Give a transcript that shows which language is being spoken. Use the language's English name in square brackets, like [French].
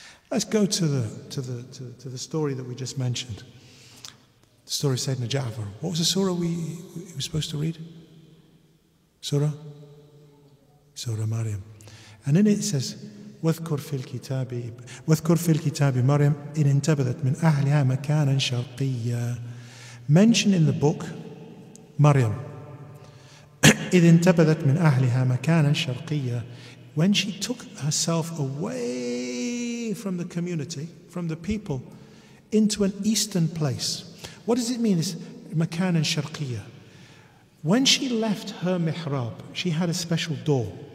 [English] Let's go to the story that we just mentioned. The story of Sayyidina Ja'far. What was the surah we were supposed to read? Surah Maryam. And in it says, [Arabic] وَذْكُرْ فِي الْكِتَابِ مَرْيَمْ إِنْ اِنْتَبَذَتْ مِنْ أَهْلِهَا مَكَانًا شَرْقِيًّا. [English] Mention in the book, Maryam, [Arabic] إِنْ اِنْتَبَذَتْ مِنْ أَهْلِهَا مَكَانًا شَرْقِيًّا. [English] When she took herself away from the community, from the people, into an eastern place. What does it mean, this [Arabic] مَكَانًا شَرْقِيًّا? [English] When she left her mihrab, she had a special door.